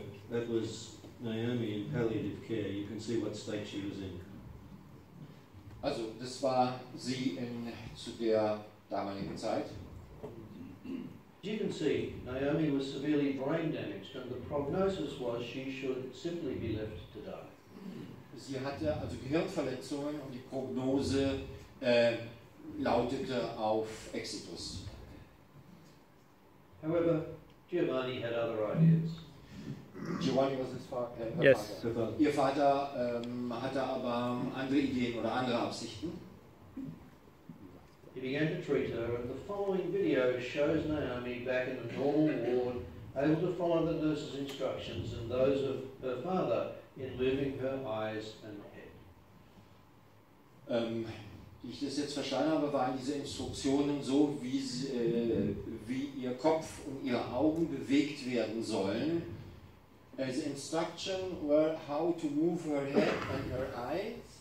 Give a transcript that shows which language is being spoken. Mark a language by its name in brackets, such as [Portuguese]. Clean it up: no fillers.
[English] was Naomi in palliative care, you can see what state she was in. [German] Also, das war sie in zu der damaligen Zeit. [English] As you can see, Naomi was severely brain damaged, and the prognosis was she should simply be left to die. [German] Sie hatte also Gehirnverletzungen, und die Prognose lautete auf Exitus. [English] However, Giovanni had other ideas. Giovanni was his father. [German] Ihr Vater hatte aber andere Ideen oder andere Absichten. [English] He began to treat her, and the following video shows Naomi back in a normal ward, able to follow the nurse's instructions and those of her father in moving her eyes and head. [German] Wie ich das jetzt verstanden habe, waren diese Instruktionen so, wie, sie, wie ihr Kopf und ihre Augen bewegt werden sollen. [English] The instructions were how to move her head and her eyes.